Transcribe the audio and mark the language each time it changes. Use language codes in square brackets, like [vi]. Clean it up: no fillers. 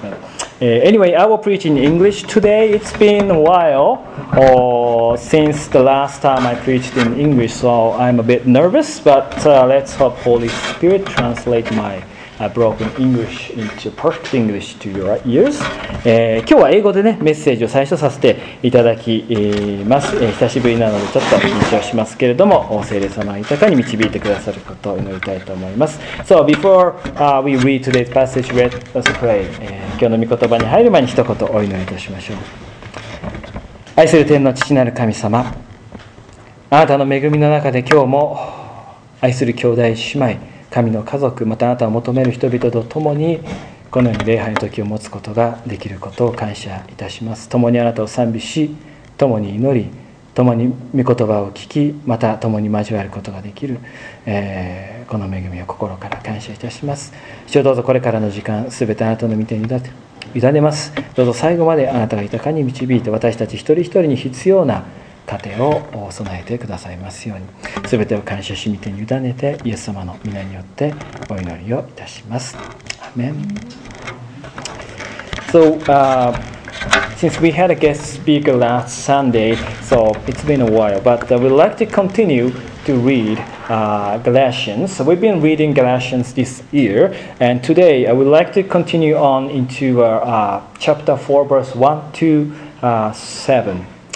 [en] But, anyway, I will preach in English today. It's been a while since the last time I preached in English, so I'm a bit nervous, but let's hope Holy Spirit translate my broken English into perfect English to your ears. [ja] 今日は英語でね、メッセージを最初させていただきます。久しぶりなのでちょっと緊張しますけれども、聖霊様豊かに導いてくださることを祈りたいと思います。 [en] So before we read today's passage, let's pray. [ja] 今日の御言葉に入る前に一言お祈りいたしましょう。愛する天の父なる神様、あなたの恵みの中で今日も愛する兄弟姉妹、神の家族、またあなたを求める人々と共にこのように礼拝の時を持つことができることを感謝いたします。共にあなたを賛美し、共に祈り、共に御言葉を聞き、また共に交わることができる、この恵みを心から感謝いたします。主よ、どうぞこれからの時間すべてあなたの御手に委ねます。どうぞ最後まであなたが豊かに導いて、私たち一人一人に必要な盾を備えてくださいますように、すべてを感謝し、御手に委ねて、イエス様の御名によってお祈りをいたします。アメン。 [en] So, since we had a guest speaker last Sunday, so it's been a while, but we'd like to continue to read Galatians. So we've been reading Galatians this year, and today I would like to continue on into chapter 4, verse 1 to 7.